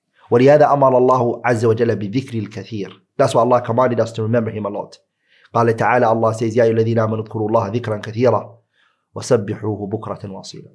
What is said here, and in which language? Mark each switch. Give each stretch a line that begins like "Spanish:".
Arabic: ولهذا أمر الله عز وجل بذكر الكثير.
English: That's why Allah commanded us to remember him a lot.
Arabic: قال تعالى الله
English: says
Arabic: يا أيها الذين آمنوا اذكروا الله ذكرا كثيرا وسبحوه بكرة واصيلا.